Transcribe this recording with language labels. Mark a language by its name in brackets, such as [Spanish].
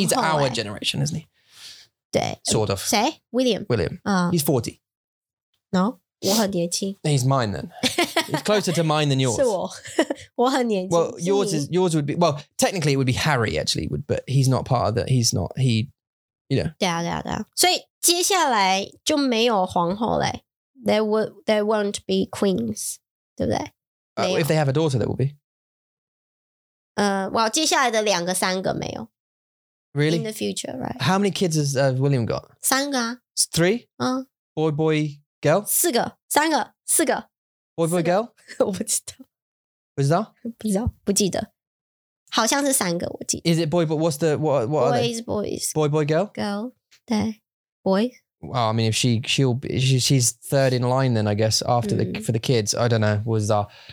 [English] he's our generation, isn't he? [Chinese] 对。 [English] Sort of. [Chinese] 谁? William. [English] William. He's 40. No? [Chinese] 我很年轻。 [English] He's mine then. He's closer to mine than yours. [Chinese] 是我。我很年轻。 [English] Well, yours would be, well, technically it would be Harry actually, but he's not part of that. He's not, he, you know. [Chinese] 对啊。所以接下来就没有皇后嘞。 [English] There won't be queens, [Chinese] 对不对? [English] If they have a daughter, there will be. Well, [Chinese] 接下来的两个三个没有。 [English] Really? In the future, right. How many kids has William got? [Chinese] 三个啊。 [English] Three? Boy, boy, girl? [Chinese] 四个,三个,四个。 [English] Boy, boy, girl? [Chinese] 我不知道。不知道?不记得。好像是三个,我记得。 [English] Is it boy, boy, what's the, what boys, are they? Boys, boys. Boy, boy, girl? Girl, [Chinese] 对, [English] boy. Well, I mean, if she's third in line then, I guess, after the, for the kids, I don't know, was that.